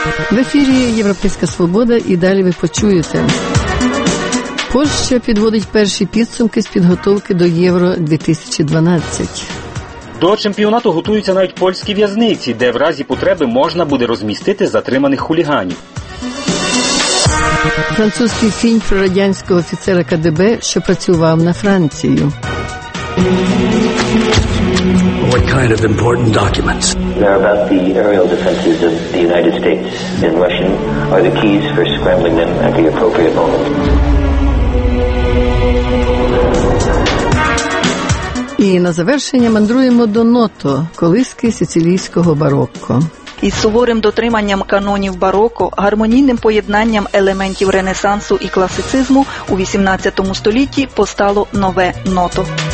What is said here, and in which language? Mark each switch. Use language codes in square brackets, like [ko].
[uk] В ефірі «Європейська свобода» і далі ви почуєте. Польща підводить перші підсумки з підготовки до Євро-2012. До чемпіонату готуються навіть польські в'язниці, де в разі потреби можна буде розмістити затриманих хуліганів. Французький фільм про радянського офіцера КДБ, що працював на Францію. [en] What kind of important documents? They're about the aerial defenses of the United States and Russia. Are the keys for scrambling them at the appropriate moment? [uk] І на завершення мандруємо до Ното, колиски сицилійського барокко. Із суворим дотриманням канонів бароко, гармонійним поєднанням елементів Ренесансу і класицизму у 18 столітті постало нове Ното.